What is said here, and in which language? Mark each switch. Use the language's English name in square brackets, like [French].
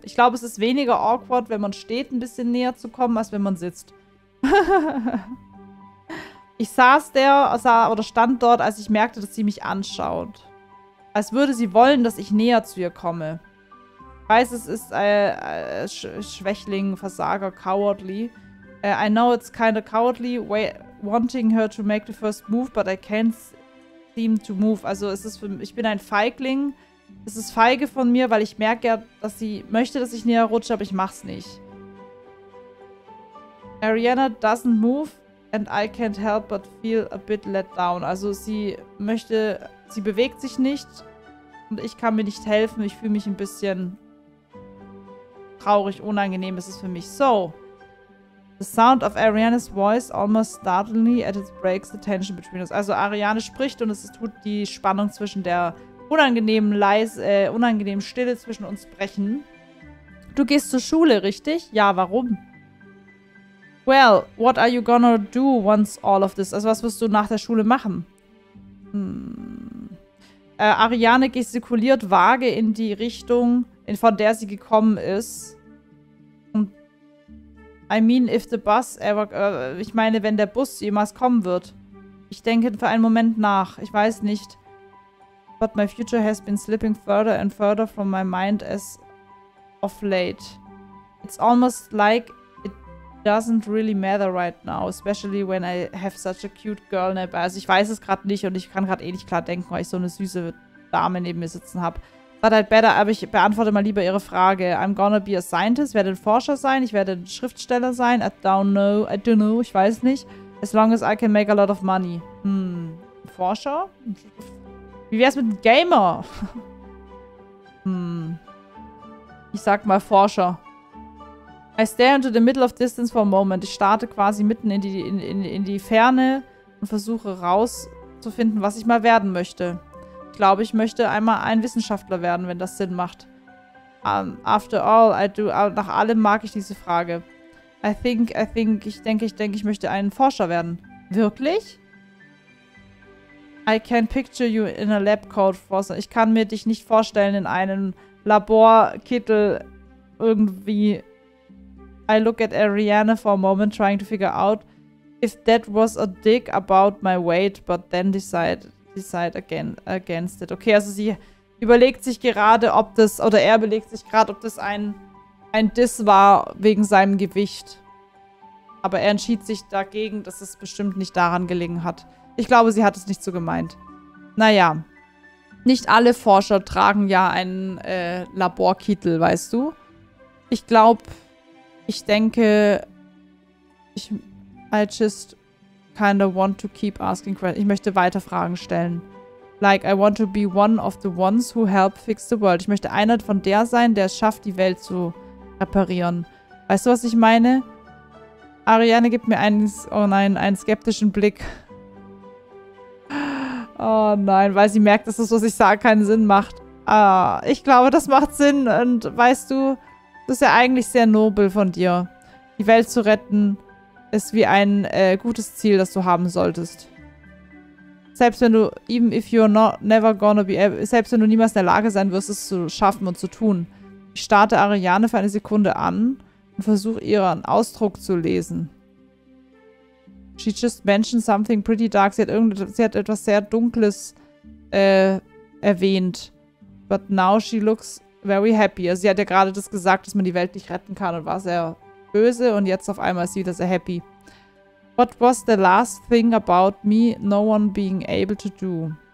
[German] Ich glaube, es ist weniger awkward, wenn man steht, ein bisschen näher zu kommen, als wenn man sitzt. Ich saß der, sah oder stand dort, als ich merkte, dass sie mich anschaut. Als würde sie wollen, dass ich näher zu ihr komme. Ich weiß, es ist Schwächling, Versager, cowardly. [English] I know it's kind of cowardly wanting her to make the first move, but I can't seem to move. [German] Also es ist für, ich bin ein Feigling. Es ist feige von mir, weil ich merke, dass sie möchte, dass ich näher rutsche, aber ich mach's nicht. [English] Ariana doesn't move and I can't help but feel a bit let down. [German] Also sie möchte, sie bewegt sich nicht und ich kann mir nicht helfen. Ich fühle mich ein bisschen traurig, unangenehm. Es ist für mich so. [English] The sound of Ariana's voice almost startlingly as it breaks the tension between us. [German] Also Ariana spricht und es tut die Spannung zwischen der unangenehmen unangenehmen Stille zwischen uns brechen. Du gehst zur Schule, richtig? Ja, warum? [English] Well, what are you gonna do once all of this? [German] Also was wirst du nach der Schule machen? Ariana gestikuliert vage in die Richtung, von der sie gekommen ist. [English] Und I mean, if the bus ever... [German] ich meine, wenn der Bus jemals kommen wird. Ich denke für einen Moment nach. Ich weiß nicht. [English] But my future has been slipping further and further from my mind as of late. It's almost like... doesn't really matter right now, especially when I have such a cute girl nearby. [German] Also ich weiß es gerade nicht und ich kann gerade eh nicht klar denken, weil ich so eine süße Dame neben mir sitzen habe. [English] But I'd better, [German] aber ich beantworte mal lieber ihre Frage. [English] I'm gonna be a scientist, [German] werde ein Forscher sein, ich werde ein Schriftsteller sein. [English] I don't know, [German] ich weiß nicht. [English] As long as I can make a lot of money. Forscher? [German] Wie wär's mit einem Gamer? Ich sag mal Forscher. [English] I stare into the middle of distance for a moment. [German] Ich starte quasi mitten in die Ferne und versuche rauszufinden, was ich mal werden möchte. Ich glaube, ich möchte einmal ein Wissenschaftler werden, wenn das Sinn macht. [English] After all, I do. [German] Nach allem mag ich diese Frage. Ich denke, ich möchte ein Forscher werden. Wirklich? [English] I can picture you in a lab coat. [German] Ich kann mir dich nicht vorstellen in einem Laborkittel irgendwie. [English] I look at Ariana for a moment, trying to figure out if that was a dig about my weight, but then decide against it. [German] Okay, also sie überlegt sich gerade, ob das, oder er überlegt sich gerade, ob das ein Diss war wegen seinem Gewicht. Aber er entschied sich dagegen, dass es bestimmt nicht daran gelegen hat. Ich glaube, sie hat es nicht so gemeint. Naja, nicht alle Forscher tragen ja einen Laborkittel, weißt du? Ich glaube... Ich möchte weiter Fragen stellen. [English] Like, I want to be one of the ones who help fix the world. [German] Ich möchte einer von der sein, der es schafft, die Welt zu reparieren. Weißt du, was ich meine? Ariana gibt mir einen skeptischen Blick. Oh nein, weil sie merkt, dass das, was ich sage, keinen Sinn macht. Ich glaube, das macht Sinn. Und weißt du... Das ist ja eigentlich sehr nobel von dir. Die Welt zu retten ist wie ein gutes Ziel, das du haben solltest. Selbst wenn du, [English] even if you're not, never gonna be, [German] selbst wenn du niemals in der Lage sein wirst, es zu schaffen und zu tun. Ich starte Ariana für eine Sekunde an und versuche ihren Ausdruck zu lesen. [English] She just mentioned something pretty dark. [German] Sie hat etwas sehr Dunkles erwähnt. [English] But now she looks... very happy. [German] Also sie hat ja gerade das gesagt, dass man die Welt nicht retten kann und war sehr böse und jetzt auf einmal ist sie wieder sehr happy. [English] What was the last thing about me no one being able to do?